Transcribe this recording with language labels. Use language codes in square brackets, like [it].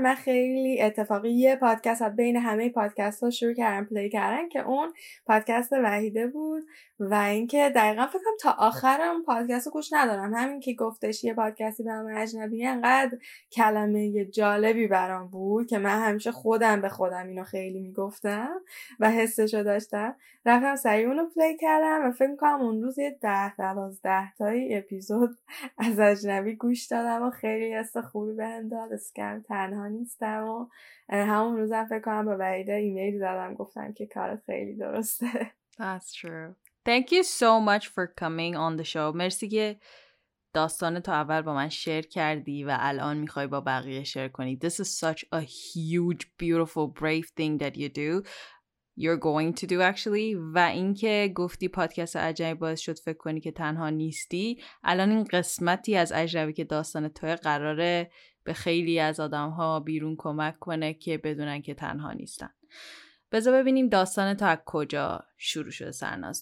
[fa] من خیلی اتفاقی یه پادکست از بین همه پادکست ها شروع کردم پلی کردن که اون پادکست وحیده بود و اینکه دقیقا فکرم تا آخرم پادکست رو گوش ندارم، همین که گفتش یه پادکستی به همه اجنبی انقدر کلمه یه جالبی برام بود که من همیشه خودم به خودم اینو خیلی میگفتم و حسش رو داشتم، رفتم سریع اون رو پلی کردم و فکر میکنم اون روز یه 10-12 تایی اپیزود از اجنبی گوش دادم و خیلی حس خوبی بهم داد، اسکم تنها نیستم و همون روز هم فکر کنم به وحیده ایمیل دادم گفتم که کارت خیلی درسته. [en] That's true. Thank you so much for coming on the show. [fa] مرسی که داستان تو اول با من شیر کردی و الان میخوای با بقیه شیر کنی. [en] This is such a huge, beautiful, brave thing that you do. You're going to do actually. [fa] و اینکه گفتی پادکست عجیب باعث شد فکر کنی که تنها نیستی، الان این قسمتی از عجیبی که داستان توی قراره به خیلی از آدم ها بیرون کمک کنه که بدونن که تنها نیستن. بذار ببینیم داستان تو از کجا شروع شده سرناز.